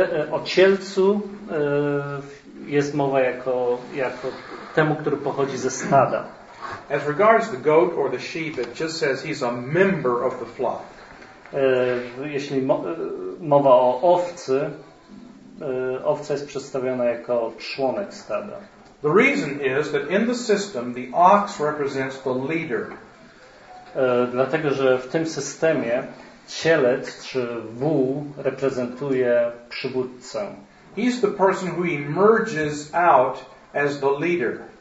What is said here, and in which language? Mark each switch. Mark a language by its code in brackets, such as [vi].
[pl] O cielcu jest mowa jako temu, który pochodzi ze stada. [en] As regards the goat or the sheep, it just says he's a member of the flock. [pl] Jeśli mowa o owcy, owca jest przedstawiona jako członek stada. [en] The reason is that in the system the ox represents the leader. [pl] Dlatego, że w tym systemie cielec czy wół reprezentuje przywódcę. [en] He's the person who emerges out as the leader.